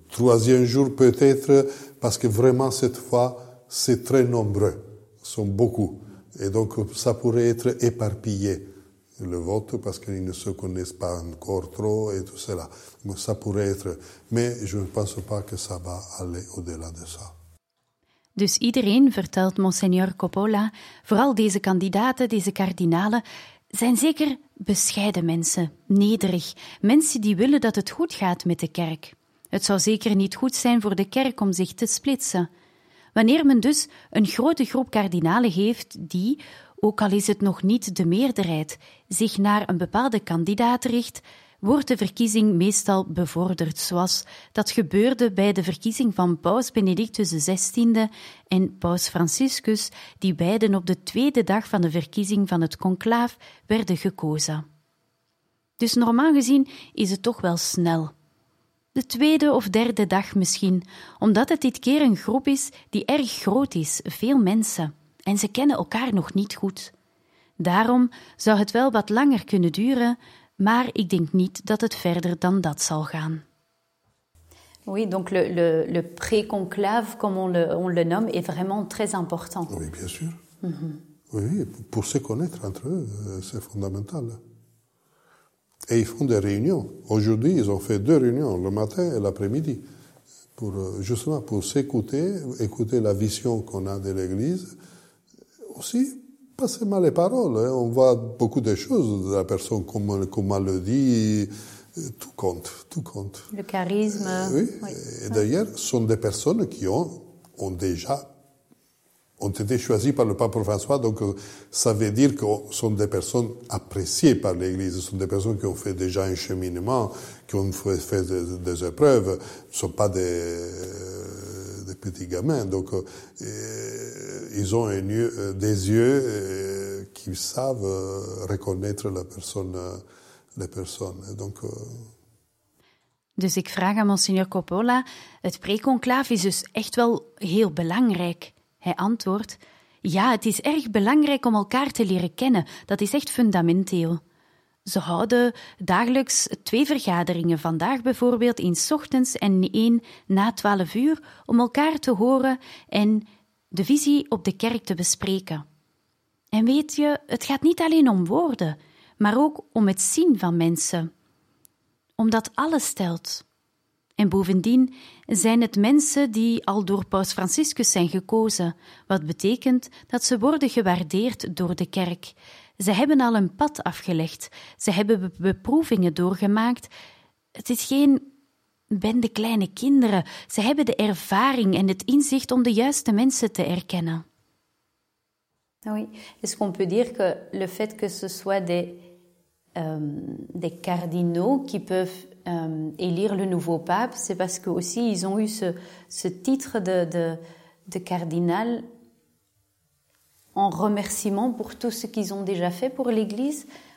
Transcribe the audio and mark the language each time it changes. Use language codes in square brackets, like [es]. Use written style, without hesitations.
[fr] Troisième jour peut-être, parce que vraiment cette fois, c'est très nombreux, sont beaucoup. Et donc ça pourrait être éparpillé, le vote, parce qu'ils ne se connaissent pas encore trop et tout cela. Mais ça pourrait être, mais je ne pense pas que ça va aller au-delà de ça. [nl] Dus iedereen, vertelt Monseigneur Coppola, vooral deze kandidaten, deze kardinalen, zijn zeker bescheiden mensen, nederig, mensen die willen dat het goed gaat met de kerk. Het zou zeker niet goed zijn voor de kerk om zich te splitsen. Wanneer men dus een grote groep kardinalen heeft die, ook al is het nog niet de meerderheid, zich naar een bepaalde kandidaat richt, wordt de verkiezing meestal bevorderd, zoals dat gebeurde bij de verkiezing van paus Benedictus XVI en paus Franciscus, die beiden op de tweede dag van de verkiezing van het conclaaf werden gekozen. Dus normaal gezien is het toch wel snel. De tweede of derde dag misschien, omdat het dit keer een groep is die erg groot is, veel mensen, en ze kennen elkaar nog niet goed. Daarom zou het wel wat langer kunnen duren, maar ik denk niet dat het verder dan dat zal gaan. [fr] Oui, donc le pré-conclave, comme on le nomme, est vraiment très important. Oui, bien sûr. Mm-hmm. Oui, pour se connaître entre eux, c'est fondamental. Et ils font des réunions. Aujourd'hui, ils ont fait 2 réunions, le matin et l'après-midi, pour justement pour s'écouter, écouter la vision qu'on a de l'Église. Aussi, passer mal les paroles. Hein. On voit beaucoup de choses de la personne, comment elle le dit. Tout compte, tout compte. Le charisme. Oui. Et d'ailleurs, ce sont des personnes qui ont été choisis par le pape François, donc ça veut dire que sont des personnes appréciées par l'Église, sont des personnes qui ont fait déjà un cheminement, qui ont fait des épreuves, sont pas des petits gamins, donc ils ont des yeux qui savent reconnaître la personne, les personnes. Donc, [nl] Dus ik vraag aan Monsignor Coppola, het preconclaaf is dus echt wel heel belangrijk. Hij antwoordt, ja, het is erg belangrijk om elkaar te leren kennen. Dat is echt fundamenteel. Ze houden dagelijks 2 vergaderingen, vandaag bijvoorbeeld 1 's ochtends en 1 na 12 uur, om elkaar te horen en de visie op de kerk te bespreken. En weet je, het gaat niet alleen om woorden, maar ook om het zien van mensen. Omdat alles telt. En bovendien zijn het mensen die al door Paus Franciscus zijn gekozen, wat betekent dat ze worden gewaardeerd door de kerk. Ze hebben al een pad afgelegd, ze hebben beproevingen doorgemaakt. Het is geen bende kleine kinderen, ze hebben de ervaring en het inzicht om de juiste mensen te erkennen. [fr] Oui. Est-ce qu'on peut dire que le fait que ce soit des cardinaux qui peuvent élire le nouveau pape, c'est parce que aussi ils ont eu ce titre de cardinal en remerciement pour tout ce qu'ils ont déjà fait pour l'Église.